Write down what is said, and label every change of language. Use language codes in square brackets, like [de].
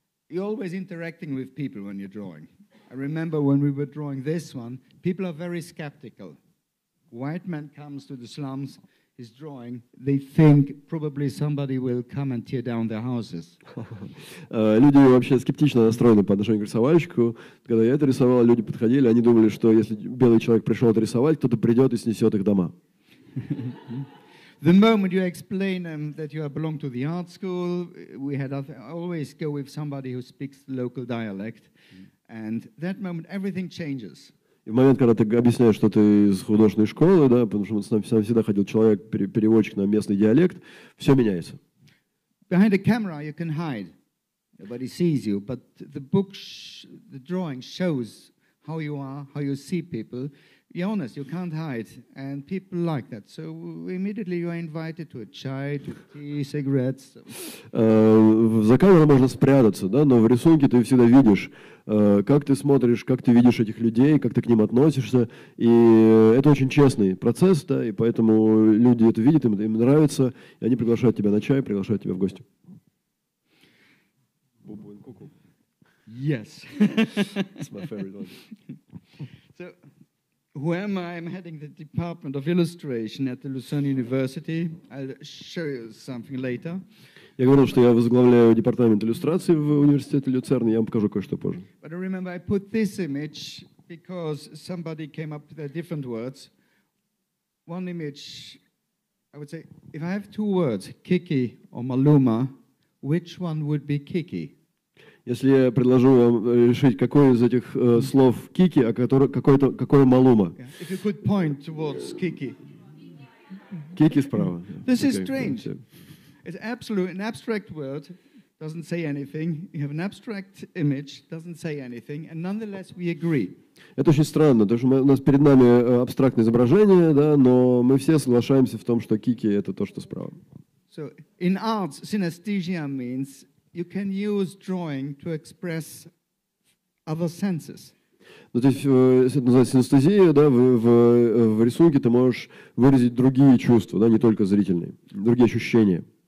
[en] You're always interacting with people when you're drawing. I remember when we were drawing this one, people are very skeptical. White man comes to the slums, he's drawing, they think probably somebody will come and tear down their houses. [ru] Люди вообще скептично настроены по отношению к рисовальщику. Когда я это рисовал, люди подходили, они думали, что если белый человек пришел это рисовать, кто-то придет и снесет их дома. [en] The moment you explain them that you belong to the art school, we had always go with somebody who speaks local dialect, and that moment everything changes. [ru] В момент, когда ты объясняешь, что ты из художественной школы, да, потому что с нами всегда ходил человек переводчик на местный диалект, все меняется. [en] Behind a camera you can hide, nobody sees you, but the book, the drawing shows how you are, how you see people. Be honest, you can't hide, and people like that. So immediately you are invited to a chai, to tea, cigarettes. [ru] За камерой можно спрятаться, да, но в рисунке ты всегда видишь, как ты смотришь, как ты видишь этих людей, как ты к ним относишься, и это очень честный процесс, да, и поэтому люди это видят, им нравится, и они приглашают тебя на чай, приглашают тебя в гости. [en] Yes. It's my favorite one. So. Who am I? I'm heading the Department of Illustration at the Luzern University. I'll show you something later. [ru] Я говорил, что я возглавляю департамент иллюстрации в университете Люцерна. Я вам покажу кое-что позже. [en] But I remember I put this image because somebody came up with different words. One image, I would say, if I have two words, Kiki or Maluma, which one would be Kiki? [ru] Если я предложу вам решить, какой из этих слов Кики, а какой Малума? [en] If you could point towards Kiki. [ru] Kiki справа. [en] This is strange. It's absolute, an abstract word, doesn't say anything. You have an abstract image, doesn't say anything, and nonetheless we agree. [ru] Это очень странно, потому что у нас перед нами абстрактное изображение, да, но мы все соглашаемся в том, что Кики это то, что справа. [en] So in arts, synesthesia means you can use drawing to express other senses. [ru] Ну, то есть, это называется синестезия, да, в рисунке ты можешь выразить другие чувства, да, не только зрительные, другие ощущения.